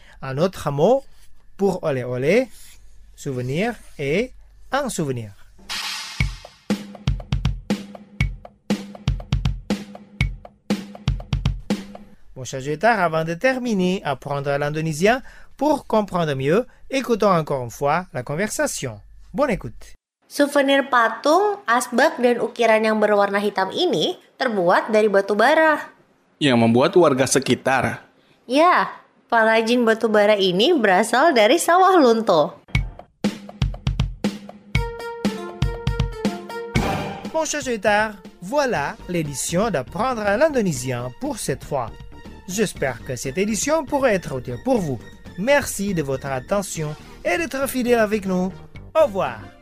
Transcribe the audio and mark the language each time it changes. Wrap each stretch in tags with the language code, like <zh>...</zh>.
<fr>Un autre mot pour oleh-oleh, souvenir, est un souvenir. Bon, chers auditeurs, avant de terminer, apprendre l'indonésien pour comprendre mieux, écoutons encore une fois la conversation. Bonne écoute.</fr> <id>Souvenir patung, asbak, dan ukiran yang berwarna hitam ini terbuat dari batu bara. Yang membuat warga sekitar. Ya, pengrajin batu bara ini berasal dari sawah Lunto.</id> <fr>Mon cher auditeur, voilà l'édition d'apprendre l'indonésien pour cette fois. J'espère que cette édition pourra être utile pour vous. Merci de votre attention et d'être fidèle avec nous. Au revoir.</fr>